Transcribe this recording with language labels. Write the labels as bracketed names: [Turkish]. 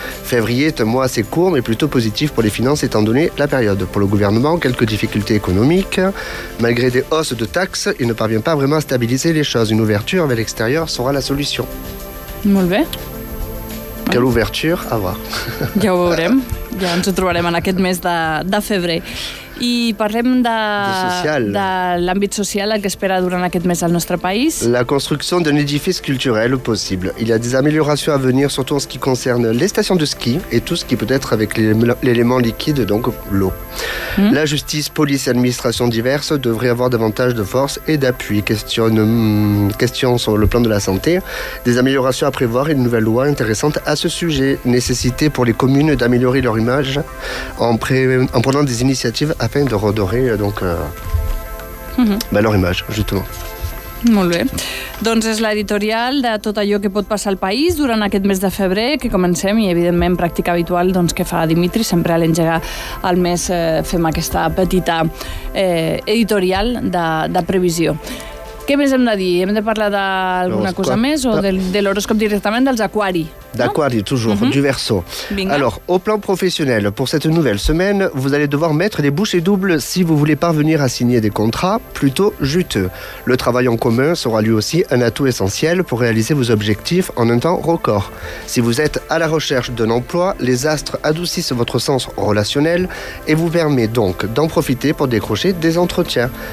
[French] Février est un mois assez court, mais plutôt positif pour les finances étant donné la période. Pour le gouvernement, quelques difficultés économiques. Malgré des hausses de taxes, il ne parvient pas vraiment à stabiliser les choses. Une ouverture vers l'extérieur sera la solution. [Catalan] Molt bé. [French] Quelle ouverture, à voir. [Catalan] Ja ho veurem. Ja ens ho trobarem en aquest mes de febrer. I parlem de l'àmbit social que espera durant aquest mes al nostre país. La construcció d'un edifici cultural possible. [French] Il y a des améliorations à venir, surtout en ce qui concerne les stations de ski et tout ce qui peut être avec l'élément liquide, donc l'eau. La justice, police et administration diverses devraient avoir davantage de force et d'appui. Question sur le plan de la santé. Des améliorations à prévoir et une nouvelle loi intéressante à ce sujet. Nécessité pour les communes d'améliorer leur image en prenant des initiatives afin de redorer donc, leur image, justement. [Catalan] Molt bé. Doncs és l'editorial de tot allò que pot passar al país durant aquest mes de febrer, que comencem, i evidentment pràctica habitual doncs, que fa Dimitri, sempre a l'engegar al mes fem aquesta petita editorial de previsió. Què més hem de dir? Hem de parlar d'alguna cosa més o de l'horòscop directament dels Aquarii? [French] D'Aquario, toujours, du Verseau. Alors, au plan professionnel, pour cette nouvelle semaine, vous allez devoir mettre les bouchées doubles si vous voulez parvenir à signer des contrats plutôt juteux. Le travail en commun sera lui aussi un atout essentiel pour réaliser vos objectifs en un temps record. Si vous êtes à la recherche d'un emploi, les astres adoucissent votre sens relationnel et vous permet donc d'en profiter pour décrocher des entretiens.